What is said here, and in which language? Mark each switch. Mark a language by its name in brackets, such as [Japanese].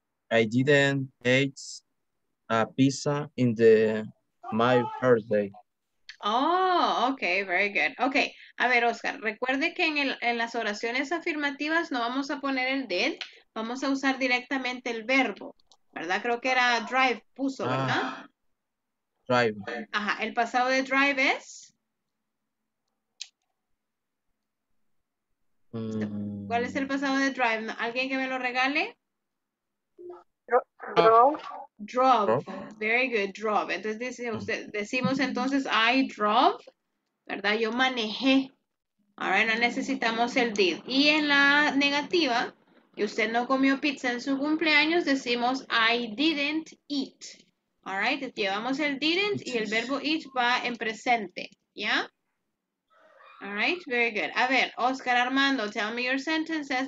[English] I didn't eat a pizza in the my birthday. Oh, okay, very good. [Spanish] Okay, a ver, Oscar, recuerde que en las oraciones afirmativas no vamos a poner el did, vamos a usar directamente el verbo, ¿verdad? Creo que era drive, puso, ¿verdad? [English] Drive. [Spanish] Ajá, el pasado de drive es... ¿Cuál es el pasado de drive? ¿Alguien que me lo regale? [English] Drove. Very good, drove. [Spanish] Entonces dice usted, decimos entonces [English] I drove, [Spanish] ¿verdad? Yo manejé. [English] All right, [Spanish] no necesitamos el did. Y en la negativa, que usted no comió pizza en su cumpleaños, decimos [English] I didn't eat. All right, [Spanish] llevamos el didn't y el verbo eat va en presente, ¿ya? [English] All right, very good. [Spanish] A ver, [English] Oscar Armando, tell me your sentences.